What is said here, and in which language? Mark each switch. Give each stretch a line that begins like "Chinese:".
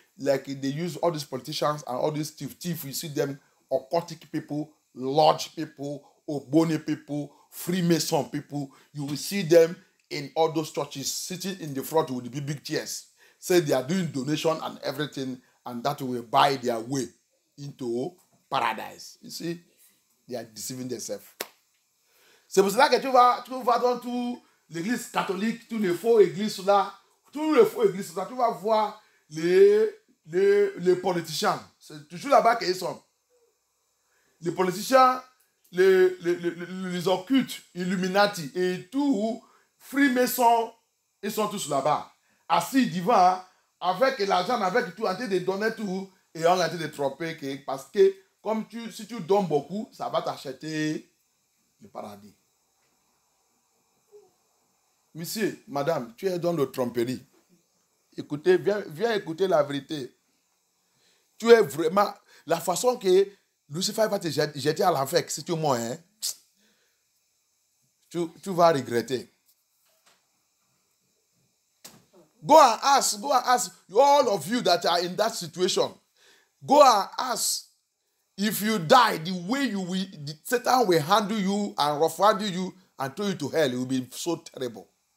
English: like they use all these politicians and all these thief, you see them, occultic people, lodge people, Ogboni people, Freemason people, you will see them in all those churches, sitting in the front with the big chairs, say they are doing donation and everything, and that will buy their way into paradise. You see, they are deceiving themselves.
French: C'est pour cela que tu vas dans tout l'église catholique, tous les faux églises là, tous les faux églises là, tu vas voir les politiciens. C'est toujours là-bas qu'ils sont. Les politiciens, les occultes, illuminati et tout, freemasons, ils sont tous là-bas. Assis devant, avec l'argent, avec tout, en train de donner tout, et en train de tromper, parce que comme si tu donnes beaucoup, ça va t'acheter le paradis. Monsieur, madame, tu es dans le tromperie. Écoutez, viens écouter la vérité. Tu es vraiment... La façon que Lucifer va te jeter à l'enfer, si tu mens, hein, tu vas regretter.
English: Go and ask all of you that are in that situation. Go and ask if you die the way you will, Satan will handle you and refund you and throw you to hell. It will be so terrible.